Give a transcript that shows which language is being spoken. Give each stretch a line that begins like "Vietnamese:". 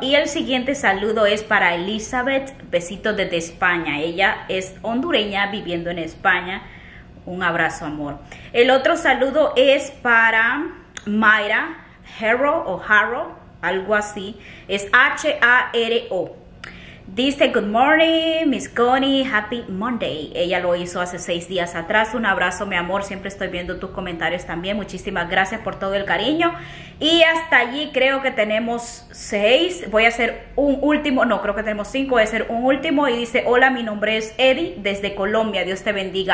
Spanish: Y el siguiente saludo es para Elizabeth, besito desde España. Ella es hondureña viviendo en España. Un abrazo, amor. El otro saludo es para Mayra Harrow o Harrow, algo así. Es H-A-R-O. Dice,
English: good morning, Miss Connie, happy Monday.
Spanish: Ella lo hizo hace 6 días atrás. Un abrazo, mi amor. Siempre estoy viendo tus comentarios también. Muchísimas gracias por todo el cariño. Y hasta allí creo que tenemos 6. Voy a hacer un último. No, creo que tenemos 5. Voy a hacer un último. Y dice, hola, mi nombre es Eddie desde Colombia. Dios te bendiga.